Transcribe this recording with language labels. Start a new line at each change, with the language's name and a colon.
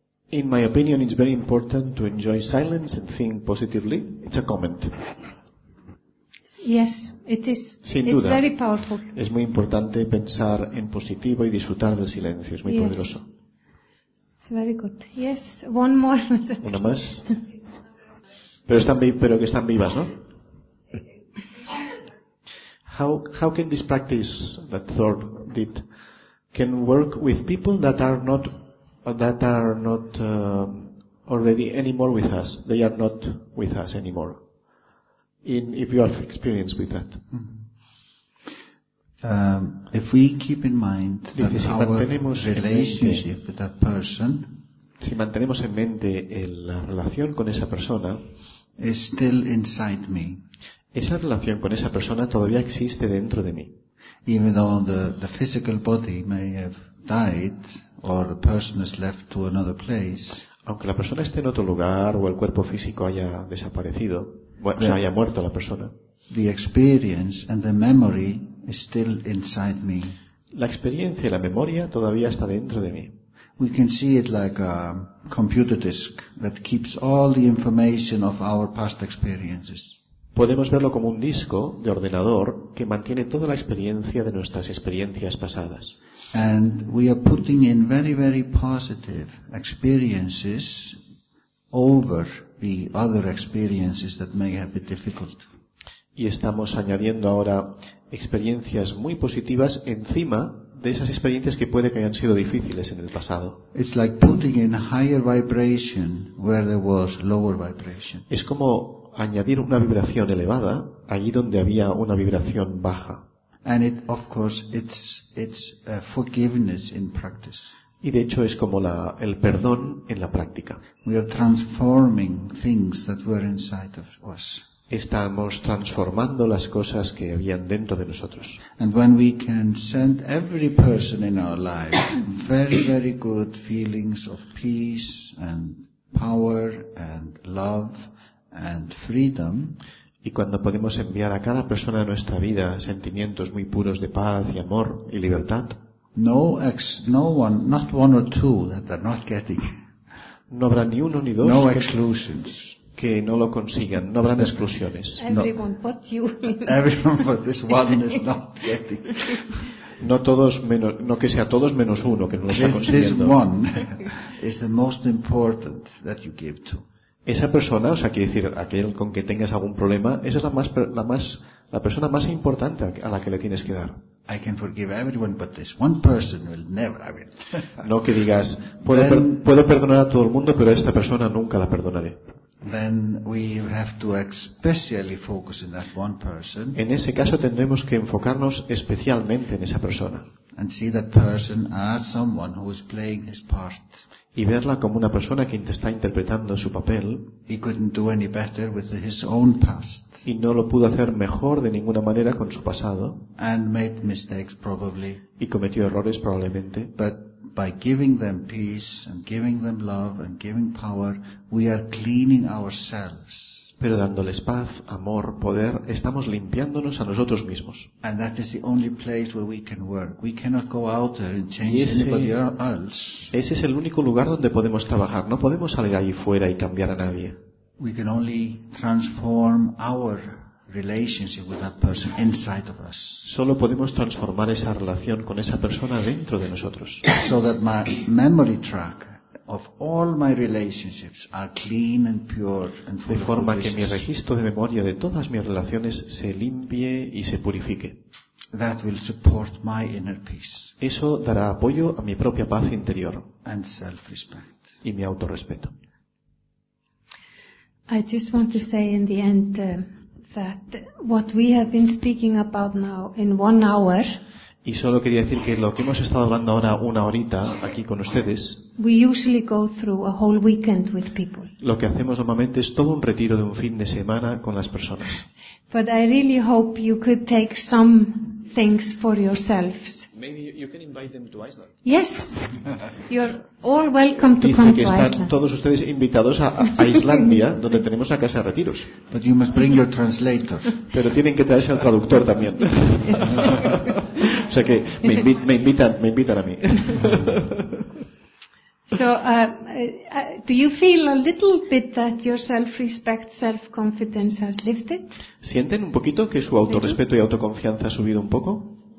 English: In my opinion, it's very important to enjoy silence and think positively. It's a comment. Yes, it is.
Spanish: Sin
English: it's
Spanish: duda.
English: Very powerful.
Spanish: Es muy importante pensar en positivo y disfrutar del silencio. Es muy
English: yes.
Spanish: poderoso.
English: It's very good. Yes, one more.
Spanish: Una más. Pero están pero que están vivas, ¿no?
English: How can this practice that Thor did can work with people that are not already anymore with us? They are not with us anymore. If you have experience with that. If we keep in mind that our relationship with that person,
Spanish: si mantenemos en mente la relación con esa persona,
English: is still inside me.
Spanish: Esa relación con esa persona todavía existe dentro de mí.
English: Even though the physical body may have died or the person has left to another place,
Spanish: aunque la persona esté en otro lugar o el cuerpo físico haya desaparecido, bueno, o sea, haya muerto la persona,
English: the experience and the memory is still inside me.
Spanish: La experiencia y la memoria todavía está dentro de mí.
English: We can see it like a computer disk that keeps all the information of our past experiences.
Spanish: Podemos verlo como un disco de ordenador que mantiene toda la experiencia de nuestras experiencias pasadas.
English: And we are putting in very, very positive experiences over the other experiences that may have been difficult.
Spanish: Y estamos añadiendo ahora experiencias muy positivas encima de esas experiencias que puede que hayan sido difíciles en el pasado.
English: It's like putting in higher vibration where there was lower vibration.
Spanish: Es como añadir una vibración elevada allí donde había una vibración baja.
English: And it, of course, it's forgiveness in practice.
Spanish: Y de hecho es como el perdón en la práctica.
English: We are transforming things that were inside of us.
Spanish: Estamos transformando las cosas que habían dentro de nosotros.
English: And when we can send every person in our life very, very good feelings of peace and power and love and freedom,
Spanish: y cuando podemos enviar a cada persona de nuestra vida sentimientos muy puros de paz y amor y libertad, no habrá ni uno ni dos
English: no exclusions.
Spanish: Que no lo consigan, no habrán exclusiones.
English: Everyone but you. Everyone but this one is not getting.
Spanish: No todos menos, no que sea todos menos uno que no lo está consiguiendo.
English: This one is the most important that you give to.
Spanish: Esa persona, o sea, quiere decir, aquel con que tengas algún problema, esa es la persona más importante a la que le tienes que dar.
English: I can forgive everyone, but this one person will never. I mean.
Spanish: No que digas, puedo perdonar a todo el mundo, pero a esta persona nunca la perdonaré.
English: Then we have to especially focus in that one person.
Spanish: En ese caso tendremos que enfocarnos especialmente en esa persona.
English: And see that person as someone who is playing his part.
Spanish: Y verla como una persona que está interpretando su papel.
English: He couldn't do any better with his own past.
Spanish: Y no lo pudo hacer mejor de ninguna manera con su pasado.
English: And made mistakes probably.
Spanish: Y cometió errores probablemente.
English: But by giving them peace and giving them love and giving power, we are cleaning ourselves.
Spanish: Pero dándoles paz, amor, poder, estamos limpiándonos a nosotros mismos.
English: And that is the only place where we can work. We cannot go out there and change anybody else.
Spanish: Ese es el único lugar donde podemos trabajar. No podemos salir allí fuera y cambiar a nadie.
English: We can only transform our relationship with that person inside of us.
Spanish: Solo podemos transformar esa relación con esa persona dentro de nosotros.
English: So that my memory track of all my relationships are clean and pure and full of goodness.
Spanish: De forma que mi registro de memoria de todas mis relaciones se limpie y se purifique.
English: That will support my inner peace.
Spanish: Eso dará apoyo a mi propia paz interior.
English: And self-respect.
Spanish: Y mi autorrespeto.
English: I just want to say in the end that what we have been speaking about now in 1 hour.
Spanish: Y solo quería decir que lo que hemos estado hablando ahora una horita aquí con ustedes,
English: we usually go through a whole weekend with people.
Spanish: Lo que hacemos normalmente es todo un retiro de un fin de semana con las personas.
English: But I really hope you could take some things for yourselves. Maybe you can invite them to Iceland. Yes, you're all welcome to come to Iceland.
Spanish: Están todos ustedes invitados a Islandia, donde tenemos una casa de retiros.
English: But you must bring your translator.
Spanish: Pero tienen que traerse al traductor también. O sea que me invitan a mí.
English: So, do you feel a little bit that your self-respect, self-confidence has lifted?
Spanish: ¿Sienten un poquito que su autorrespeto y autoconfianza ha subido un poco?